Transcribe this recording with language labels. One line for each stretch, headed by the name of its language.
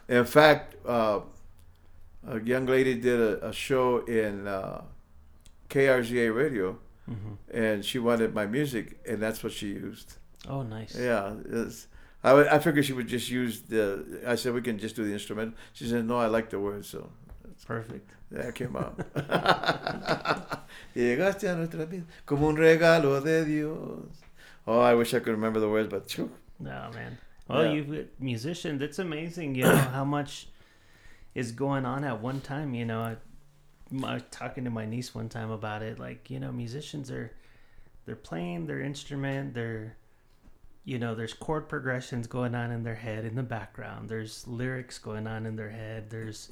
English: In fact, a young lady did a show in KRZA Radio. Mm-hmm. And she wanted my music, and that's what she used. Oh, nice. Yeah. I figured she would just use the... I said, we can just do the instrument. She said, no, I like the words. So that's perfect. That came out.
Spanish: Llegaste a nuestra vida como un regalo de Dios.
English: Oh, I wish I could remember the words, but... No, man. Well, yeah. You've got musicians. It's amazing, you know, how much is going on at one time, you know. I was talking to my niece one time about it, like, you know, musicians are, they're playing their instrument, they're, you know, there's chord progressions going on in their head in the background, there's lyrics going on in their head, there's